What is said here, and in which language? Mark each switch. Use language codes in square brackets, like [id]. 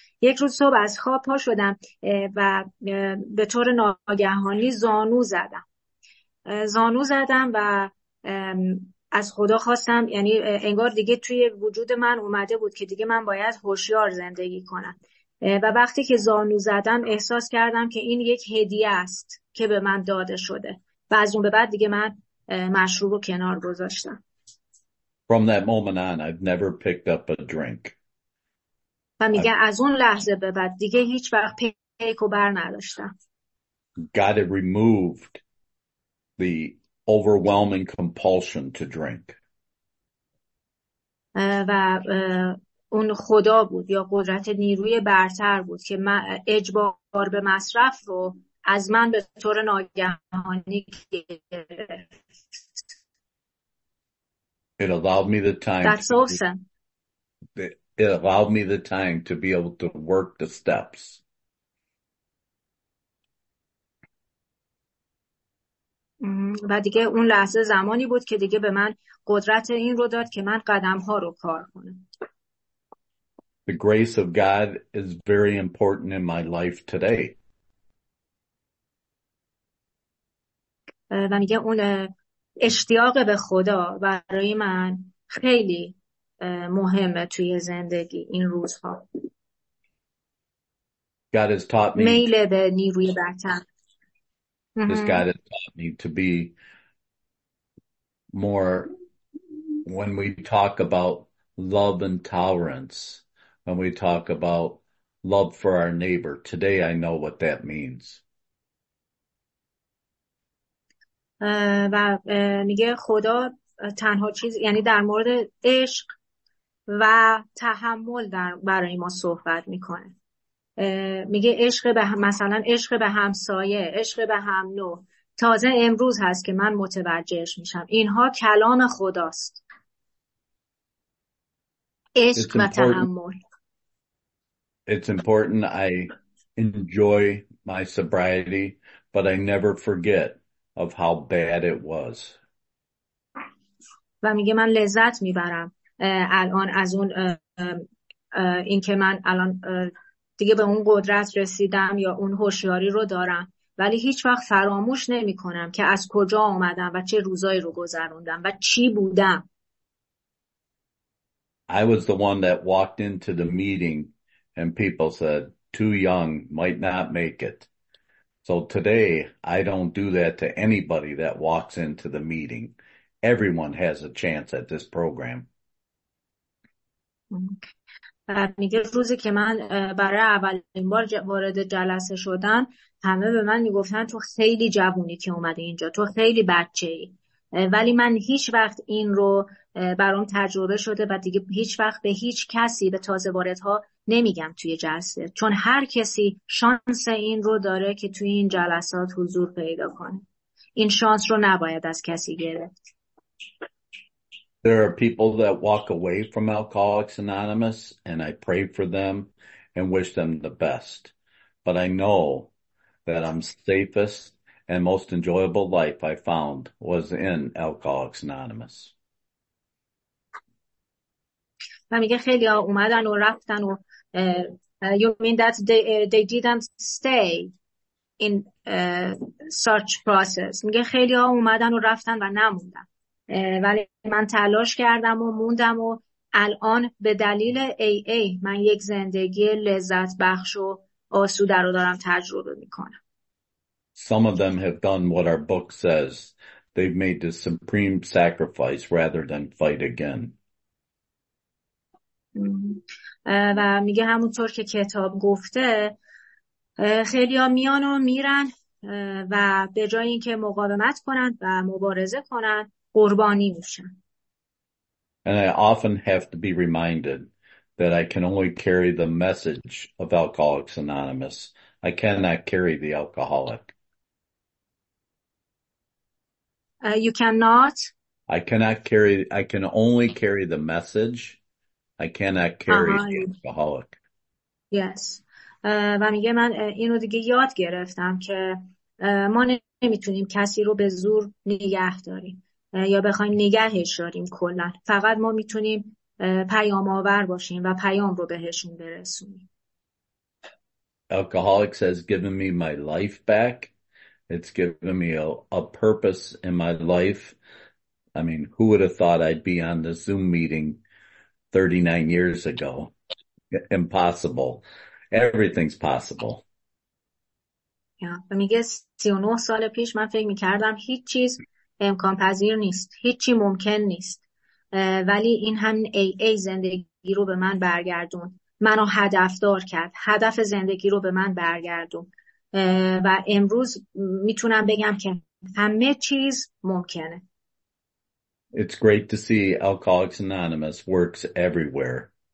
[fa] یک روز صبح از خواب پا شدم و به طور ناگهانی زانو زدم و از خدا خواستم، یعنی انگار دیگه توی وجود من اومده بود که دیگه من باید هوشیار زندگی کنم. و وقتی که زانو زدم احساس کردم که این یک هدیه است که به من داده شده و از اون به بعد دیگه من مشروب رو کنار گذاشتم. [en] From that moment on, I've never picked up a drink. [fa] و میگه از اون لحظه به بعد دیگه هیچ وقت پیکو بر نداشتم. [en] God had removed the overwhelming compulsion to drink. [fa] و اون خدا بود یا قدرت نیروی برتر بود که من اجبار به مصرف رو از من به طور ناگهانی گرفت. [en] It allowed me the time. That's awesome. It allowed me the time to be able to work the steps. [fa] و دیگه اون لحظه زمانی بود که دیگه به من قدرت این رو داد که من قدم ها رو کار کنم. [en] The grace of God is very important in my life today. [fa] و میگه اون اشتیاق به خدا برای من خیلی مهمه توی زندگی این روزها. [en] God has taught me [fa] میل به نیروی برتر. [en] This God has taught me to be more, when we talk about love and tolerance, when we talk about love for our neighbor, today I know what that means. [fa] و میگه خدا تنها چیز، یعنی در مورد عشق و تحمل در برای ما صحبت میکنه. میگه عشق به مثلا عشق به همسایه، عشق به هم نوع، تازه امروز هست که من متوجهش میشم. اینها کلام خداست، عشق و تحمل. [en] It's important I enjoy my sobriety, but I never forget of how bad it was. [fa] و میگه من لذت میبرم الان از اون این که من الان دیگه به اون قدرت رسیدم یا اون هوشیاری رو دارم، ولی هیچ وقت فراموش نمی کنم که از کجا آمدم و چه روزایی رو گذروندم و چی بودم. [en] I was the one that walked into the meeting and people said, too young, might not make it. So today, I don't do that to anybody that walks into the meeting. Everyone has a chance at this program. [fa] میگه روزی که من برای اولین بار وارد جلسه شدم همه به من میگفتن تو خیلی جوونی که اومده اینجا، تو خیلی بچه ای، ولی من هیچ وقت این رو برام تجربه شده و دیگه هیچ وقت به هیچ کسی، به تازه واردها نمیگم توی جلسه، چون هر کسی شانس این رو داره که توی این جلسات حضور پیدا کنه. این شانس رو نباید از کسی گرفت. [en] There are people that walk away from Alcoholics Anonymous, and I pray for them and wish them the best. But I know that I'm safest and most enjoyable life I found was in Alcoholics Anonymous. [fa] و میگه خیلی ها اومدن و رفتن و [en] you mean that they didn't stay in search process. [fa] میگه خیلی ها اومدن و رفتن و نموندن. ولی من تلاش کردم و موندم و الان به دلیل AA من یک زندگی لذت بخش و آسوده رو دارم تجربه میکنم. [en] Some of them have done what our book says. They've made the supreme sacrifice rather than fight again. [fa] و میگه همونطور که کتاب گفته خیلی ها میان و میرن و به جای اینکه مقاومت کنن و مبارزه کنن قربانی میشن. [en] And I often have to be reminded that I can only carry the message of Alcoholics Anonymous. I cannot carry the alcoholic. You cannot. I can only carry the message. I cannot carry the alcoholic. Yes. [fa] و میگه من اینو دیگه یاد گرفتم که ما نمیتونیم کسی رو به زور نگه داریم یا بخوایم نگهش داریم کلا. فقط ما میتونیم پیام آور باشیم و پیام رو بهشون برسونیم. [en] Alcoholics has given me my life back. It's given me a purpose in my life. I mean, who would have thought I'd be on the Zoom meeting 39 years ago? Impossible. Everything's possible. Yeah. [fa] میگه 39 سال پیش من فکر میکردم هیچ چیز امکان پذیر نیست. هیچ چی ممکن نیست. ولی این همین AA زندگی رو به من برگردون. منو هدفدار کرد. هدف زندگی رو به من برگردون. و امروز میتونم بگم که همه چیز ممکنه. [en] It's great to see Alcoholics Anonymous works everywhere.